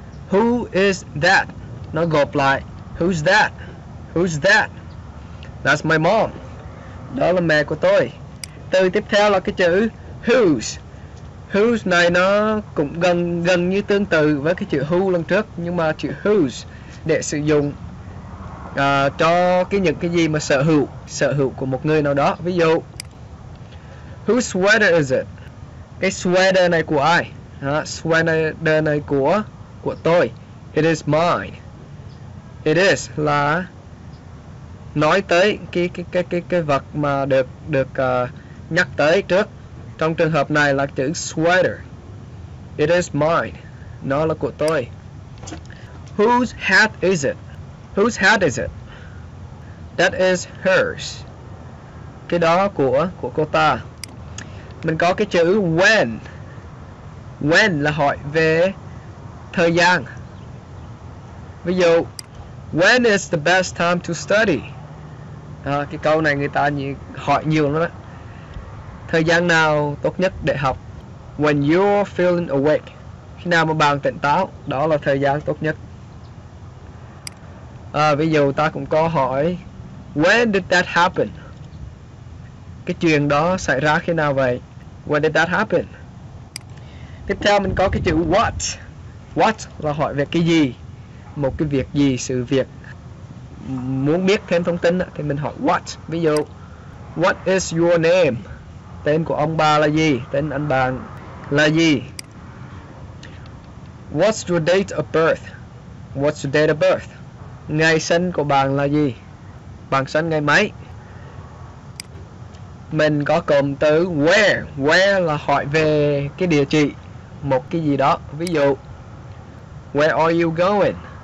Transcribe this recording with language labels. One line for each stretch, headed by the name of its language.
English: Who is that?
Vietnamese: Nó gộp lại
English: who's that? Who's that? That's my mom.
Vietnamese: Đó là mẹ của tôi. Từ tiếp theo là cái chữ whose. Whose này nó cũng gần gần như tương tự với cái chữ who lần trước, nhưng mà chữ whose để sử dụng cho cái những cái gì mà sở hữu của một người nào đó. Ví dụ,
English: whose sweater is it?
Vietnamese: Cái sweater này của ai? Đó, sweater này của tôi.
English: It is mine.
Vietnamese: It is là nói tới cái vật mà được được nhắc tới trước. Trong trường hợp này là chữ sweater.
English: It is mine.
Vietnamese: Nó là của tôi.
English: Whose hat is it? Whose hat is it? That is hers.
Vietnamese: Cái đó của cô ta. Mình có cái chữ when. When là hỏi về thời gian. Ví dụ,
English: when is the best time to study?
Vietnamese: À, cái câu này người ta như hỏi nhiều lắm đó. Thời gian nào tốt nhất để học?
English: When you're feeling awake.
Vietnamese: Khi nào mà bạn tỉnh táo, đó là thời gian tốt nhất. À, ví dụ ta cũng có hỏi
English: when did that happen?
Vietnamese: Cái chuyện đó xảy ra khi nào vậy?
English: When did that happen?
Vietnamese: Tiếp theo mình có cái chữ what. What là hỏi về cái gì? Một cái việc gì, sự việc. Muốn biết thêm thông tin thì mình hỏi what. Ví dụ,
English: what is your name?
Vietnamese: Tên của ông bà là gì? Tên anh bạn là gì?
English: What's your date of birth? What's your date of birth?
Vietnamese: Ngày sinh của bạn là gì? Bạn sinh ngày mấy? Mình có cụm từ where. Where là hỏi về cái địa chỉ một cái gì đó. Ví dụ,
English: where are you going?